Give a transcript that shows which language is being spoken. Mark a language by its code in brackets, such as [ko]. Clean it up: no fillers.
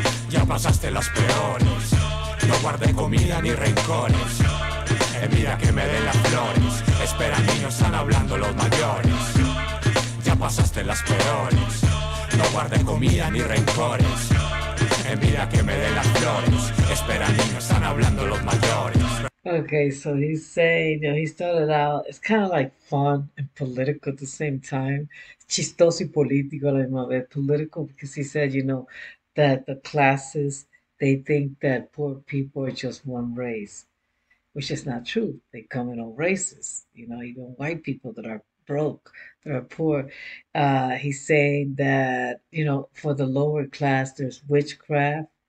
[es] Ya pasaste las peores. No guardé comida ni rencores. Mira que me den las flores. Espera, niños, están hablando los mayores. Ya pasaste las peores. No guardé comida ni rencores. Mira que me den las flores. Espera, niños, están hablando los mayores. [en] Okay, so he's saying, you know, he started out, it's kind of like fun and political at the same time. [es] Chistoso y político a la misma vez. [en] Political because he said, you know, that the classes, they think that poor people are just one race. Which is not true. They come in all races, you know, even white people that are broke, that are poor. He's saying that, you know, for the lower class, there's witchcraft.